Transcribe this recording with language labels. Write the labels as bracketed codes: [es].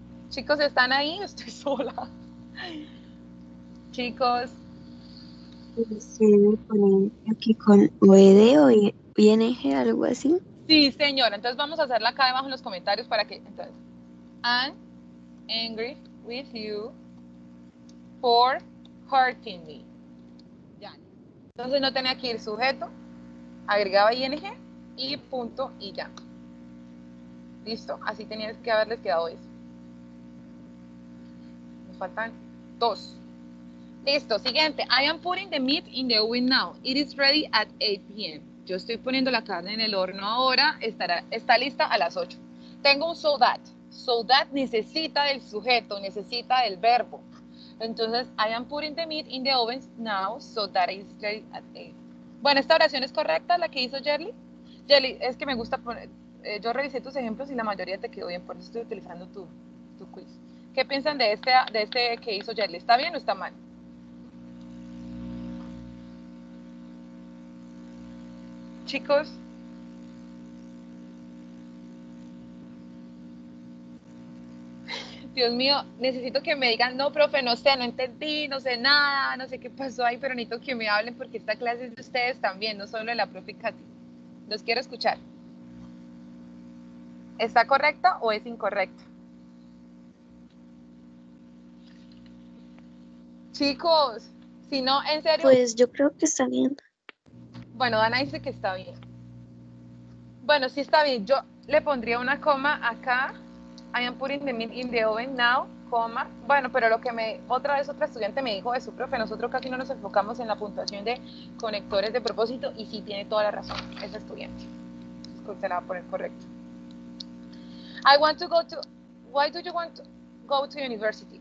[es] Chicos, ¿están ahí? Estoy sola. Chicos, se debe poner aquí con OED o ING, algo así. Sí, señora. Entonces vamos a hacerla acá abajo en los comentarios para que. [en] Entonces, I'm angry with you for hurting me. [es] Ya. Entonces no tenía que ir sujeto, agregaba ING y punto y ya. Listo. Así tenía que haberles quedado eso. Me faltan dos. Listo, siguiente. [en] I am putting the meat in the oven now. It is ready at 8 p.m. [es] Yo estoy poniendo la carne en el horno ahora. Está lista a las 8. Tengo un so that. So that necesita del sujeto, necesita del verbo. [en] Entonces, I am putting the meat in the oven now, so that it is ready at 8. [es] Bueno, ¿esta oración es correcta la que hizo Jerly? Jerly, es que me gusta poner... yo revisé tus ejemplos y la mayoría te quedó bien, por eso estoy utilizando tu quiz. ¿Qué piensan de este que hizo Jerly? ¿Está bien o está mal? Chicos, Dios mío, necesito que me digan, no, profe, no sé, no entendí, no sé nada, no sé qué pasó ahí, pero necesito que me hablen porque esta clase es de ustedes también, no solo de la profe Katy. Los quiero escuchar. ¿Está correcto o es incorrecto? Chicos, si no, en serio. Pues yo creo que está bien. Bueno, Dana dice que está bien. Bueno, sí está bien. Yo le pondría una coma acá [en] I am putting the meat in the oven now, coma. [es] Bueno, pero lo que me, otra vez otra estudiante me dijo de su profe, nosotros casi no nos enfocamos en la puntuación de conectores de propósito, y sí, tiene toda la razón esa estudiante. Usted la va a poner correcto. [en] I want to go to, why do you want to go to university?